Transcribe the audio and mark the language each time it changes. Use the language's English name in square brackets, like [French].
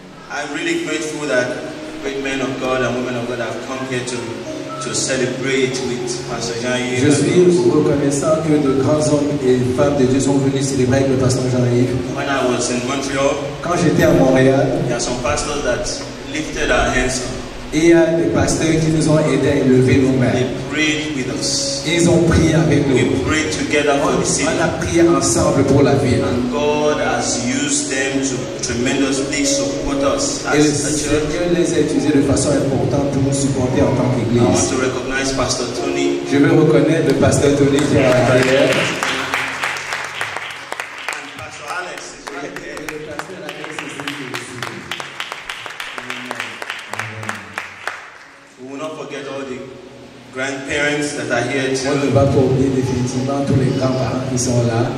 [English] I'm really grateful that great men of God and women of God have come here to celebrate with Pastor Jean-Yves. [French] Je suis reconnaissant que de grands hommes et femmes de Dieu sont venus célébrer avec le pasteur Jean-Yves. [English] When I was in Montreal, [French] quand j'étais à Montréal, [English] there are some pastors that lifted our hands up. [French] Et il y a des pasteurs qui nous ont aidés à élever nos mains. [English] They prayed with us. [French] Et ils ont prié avec nous. [English] We prayed together for the city. [French] On a prié ensemble pour la ville. [English] And God has used them to tremendously support us as a church. [French] Dieu les a utilisés de façon importante pour nous supporter en tant qu'église. [English] I want to recognize Pastor Tony. [French] Je veux reconnaître le pasteur Tony qui est derrière. [English] And Pastor Alex is right there. We will not forget all the grandparents that are here too. [French] On ne va pas oublier définitivement tous les grands-parents qui sont là.